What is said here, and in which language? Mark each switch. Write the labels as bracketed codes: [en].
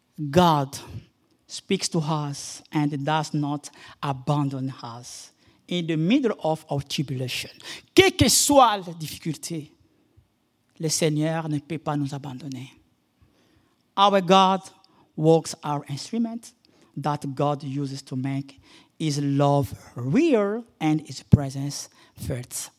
[en] God speaks to us and does not abandon us in the middle of our tribulation. [fr] Quelle que soit la difficulté, le Seigneur ne peut pas nous abandonner. [en] Our God works our instrument that God uses to make his love real and his presence felt.